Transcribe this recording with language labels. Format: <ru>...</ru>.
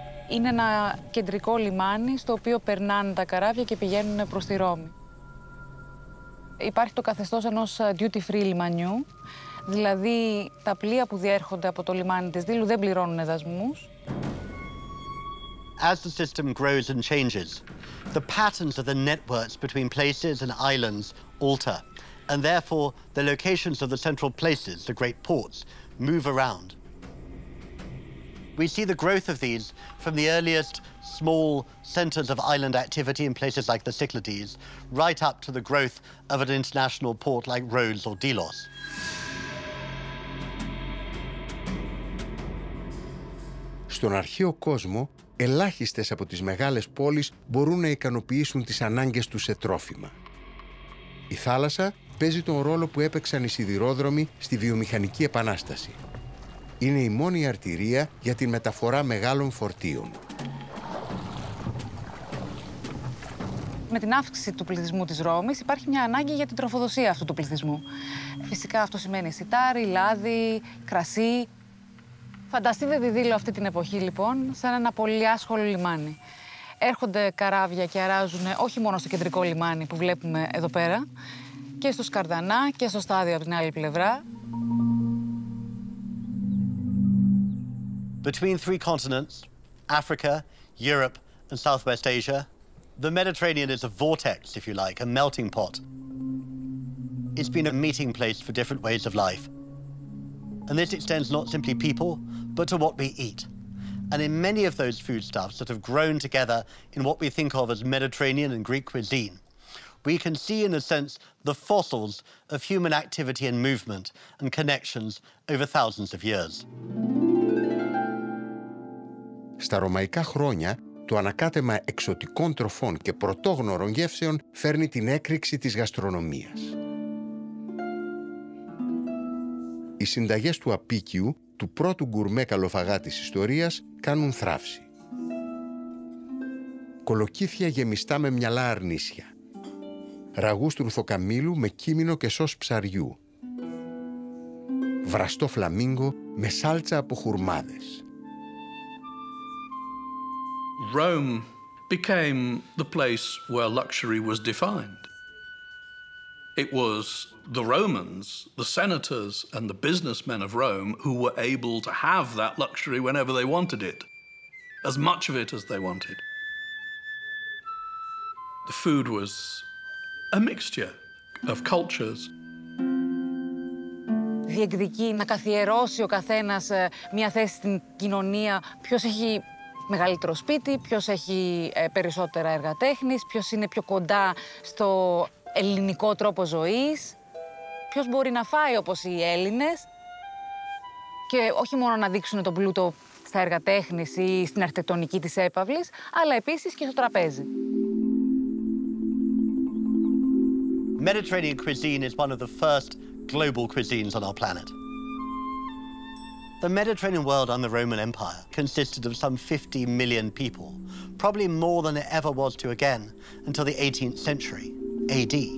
<el>Είναι ένα κεντρικό λιμάνι στο οποίο περνάνε τα καράβια και πηγαίνουν προς τη Ρώμη. Υπάρχει το καθεστώς ενός duty-free λιμανιού, δηλαδή τα πλοία που διέρχονται από το λιμάνι της Δήλου δεν πληρώνουν δασμούς.</el> <en>As the system grows and changes, the patterns of the networks between places and islands alter, and therefore the locations of the central places, the great ports, move around. We see the growth of these from the earliest small centers of island activity in places like the Cyclades, right up to the growth of an international port like Rhodes or Delos.</en> <el>Στον αρχαίο κόσμο, ελάχιστες από τις μεγάλες πόλεις μπορούν να ικανοποιήσουν τις ανάγκες τους σε τρόφιμα. Η θάλασσα παίζει τον ρόλο που έπαιξαν οι σιδηρόδρομοι στη βιομηχανική επανάσταση. Είναι η μόνη αρτηρία για την μεταφορά μεγάλων φορτίων. με την αύξηση του πληθυσμού της Ρώμης υπάρχει μια ανάγκη για την τροφοδοσία αυτού του πληθυσμού. Φυσικά αυτό σημαίνει σιτάρι, λάδι, κρασί. Φανταστείτε τη Δήλο αυτή την εποχή λοιπόν σαν ένα πολύ άσχολο λιμάνι. Έρχονται καράβια και αράζουν όχι μόνο στο κεντρικό λιμάνι που βλέπουμε εδώ πέρα, και στο Σκαρδανά και στο στάδιο από την άλλη πλευρά.</el> <en>Between three continents, Africa, Europe and Southwest Asia, the Mediterranean is a vortex, if you like, a melting pot. It's been a meeting place for different ways of life. And this extends not simply people, but to what we eat. And in many of those foodstuffs that have grown together in what we think of as Mediterranean and Greek cuisine, we can see, in a sense, the fossils of human activity and movement and connections over thousands of years.</en> <el>Στα ρωμαϊκά χρόνια, το ανακάτεμα εξωτικών τροφών και πρωτόγνωρων γεύσεων φέρνει την έκρηξη της γαστρονομίας. Οι συνταγές του απίκιου, του πρώτου γκουρμέ καλοφαγά της ιστορίας, κάνουν θράψη. Κολοκύθια γεμιστά με μυαλά αρνίσια. Ραγού στρουθοκαμήλου με κίμινο και σος ψαριού. Βραστό φλαμίγκο με σάλτσα από χουρμάδες.</el> <en>Rome became the place where luxury was defined. It was the Romans, the senators and the businessmen of Rome who were able to have that luxury whenever they wanted it, as much of it as they wanted. The food was a mixture of cultures.</en> <el>Διεκδικεί να καθιερώσει ο καθένας μια θέση στην κοινωνία, ποιος έχει μεγαλύτερο σπίτι, ποιος έχει περισσότερα έργα τέχνης, ποιος είναι πιο κοντά στο ελληνικό τρόπο ζωής, ποιος μπορεί να φάει όπως οι Έλληνες και όχι μόνο να δείξουν τον πλούτο στα έργα τέχνης ή στην αρχιτεκτονική της έπαυλης, αλλά επίσης και στο τραπέζι.</el> <en>Mediterranean cuisine is one of the first global cuisines on our planet. The Mediterranean world under the Roman Empire consisted of some 50 million people, probably more than it ever was to again until the 18th century AD.</en>